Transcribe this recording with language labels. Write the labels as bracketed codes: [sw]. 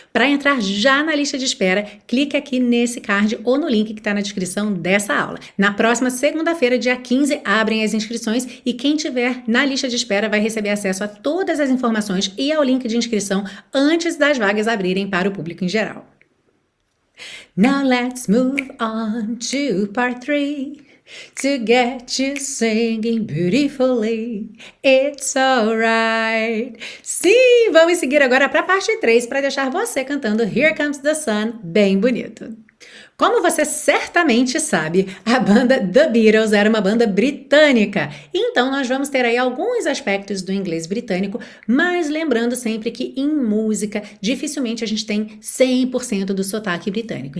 [pt] Para entrar já na lista de espera, clique aqui nesse card ou no link que está na descrição dessa aula. Na próxima segunda-feira, dia 15, abrem as inscrições e quem tiver na lista de espera vai receber acesso a todas as informações e ao link de inscrição antes das vagas abrirem para o público em geral. [en] Now let's move on to part 3. To get you singing beautifully, it's alright. [pt] Sim, vamos seguir agora para a parte 3 para deixar você cantando Here Comes the Sun bem bonito. Como você certamente sabe, a banda The Beatles era uma banda britânica. Então, nós vamos ter aí alguns aspectos do inglês britânico, mas lembrando sempre que em música, dificilmente a gente tem 100% do sotaque britânico.